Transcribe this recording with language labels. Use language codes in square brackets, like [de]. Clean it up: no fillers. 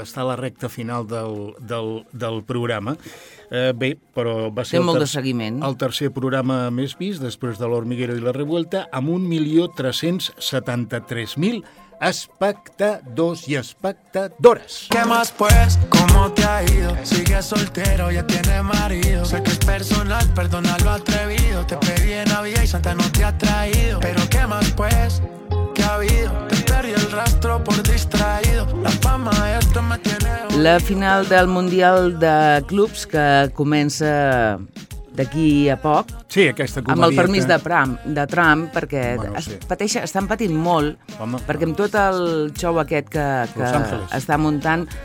[ca] Està a la recta final del programa. Bé, però va ser el tercer programa més vist, després de l'Hormiguero i la Revuelta, amb 1.373.000 espectadors i espectadores. [es] ¿Qué más pues? ¿Cómo te ha ido? Sigues soltero, ya tienes marido. Sé que es personal, perdona lo atrevido. Te pedí en Navidad y Santa no te ha traído. ¿Pero qué más pues? ¿Qué ha habido? Te perdí el rastro por distraído. La fama esto me tiene... [ca] La final del Mundial de Clubs, que comença d'aquí a poc. Sí, aquesta comèdia. Amb el permís de Trump, perquè bueno, estan patint molt. Home, perquè amb tot el xou aquest que està muntant...